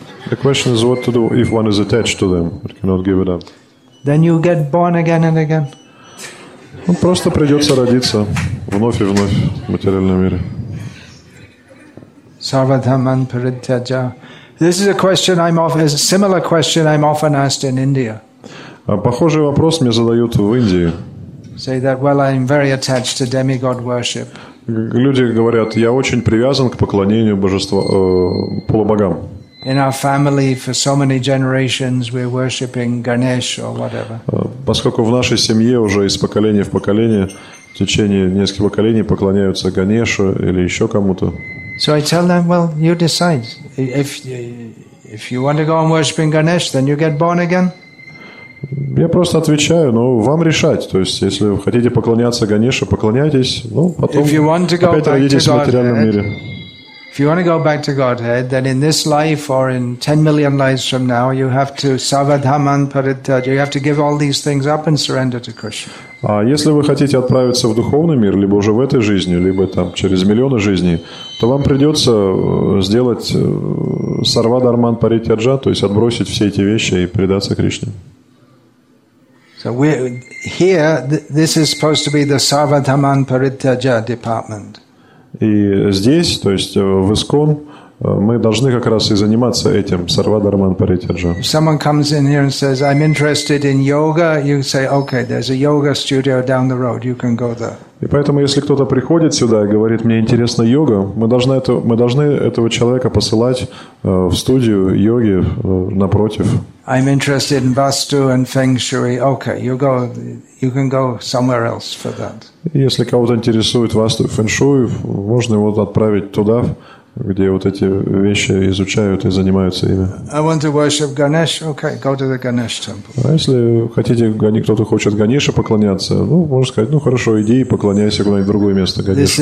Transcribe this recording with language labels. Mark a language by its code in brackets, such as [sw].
[en] The question is what to do if one is attached to them, but cannot give it up. Then you get born again and again. [ru] Он просто придется родиться вновь и вновь в материальном мире. [sa] Sarvadhaman Paritya. [en] This is a question I'm often, a similar question I'm often asked in India. [ru] Похожий вопрос мне задают в Индии. [en] Say that, well, I'm very attached to demigod worship. [ru] Люди говорят, я очень привязан к поклонению божества, полубогам. [en] In our family, for so many generations, we're worshiping Ganesh or whatever. [ru] Поскольку в нашей семье уже из поколения в поколение, в течение нескольких поколений поклоняются Ганешу или еще кому-то. [en] So I tell them, well, you decide. If you want to go on worshiping Ganesh, then you get born again. [ru] Я просто отвечаю, ну, вам решать. То есть, если вы хотите поклоняться Ганеше, поклоняйтесь, ну, потом опять родитесь в материальном мире. [en] If you want to go back to Godhead, then in this life or in 10 million lives from now, you have to savadhaman paritaj. You have to give all these things up and surrender to Krishna. [ru] А если вы хотите отправиться в духовный мир, либо уже в этой жизни, либо там через миллионы жизней, то вам придется сделать сарвадарман паритяджа, то есть отбросить все эти вещи и предаться Кришне. [en] So we here. This is supposed to be the savadhaman paritaja department. [ru] И здесь, то есть в ИСКОН, мы должны как раз и заниматься этим, сарвадарман паритяджа. [en] If someone comes in here and says, I'm interested in yoga, you say, okay, there's a yoga studio down the road, you can go there. [ru] И поэтому, если кто-то приходит сюда и говорит, мне интересна йога, мы должны этого человека посылать в студию йоги напротив. [en] I'm interested in vastu and feng shui. Okay, you can go somewhere else for that. [ru] Если кого-то интересует васту и фэншуй, можно его отправить туда, где вот эти вещи изучают и занимаются ими. [en] I want to worship Ganesh. Okay, go to the Ganesh temple. [ru] А если хотите, кто-то хочет Ганеше поклоняться, ну, можно сказать, ну, хорошо, иди и поклоняйся куда-нибудь в другое место Ганеше.